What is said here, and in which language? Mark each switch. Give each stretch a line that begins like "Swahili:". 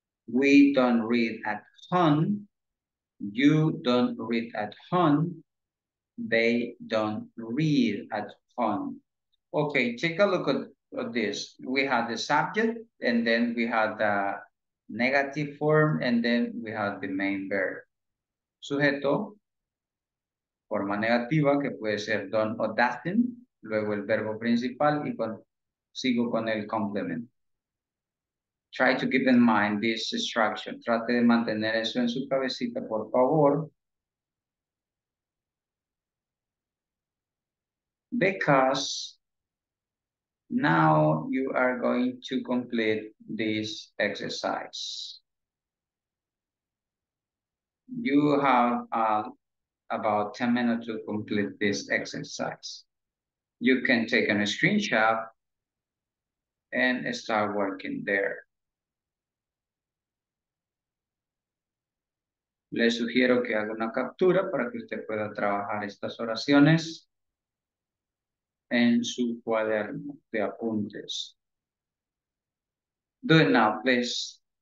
English: We don't read at home. You don't read at home. They don't read at home. Okay, take a look at this. We have the subject and then we have the negative form, and then we have the main verb.
Spanish: Sujeto, forma negativa, que puede ser
English: done or doesn't,
Spanish: luego el verbo principal, y sigo con el complement.
English: Try to keep in mind this structure.
Spanish: Trate de mantener eso en su cabecita, por favor.
English: Because now you are going to complete this exercise. You have about 10 minutes to complete this exercise. You can take a screenshot and start working there.
Spanish: Le sugiero que haga una captura para que usted pueda trabajar estas oraciones en su cuaderno de apuntes.
English: Do it now, please.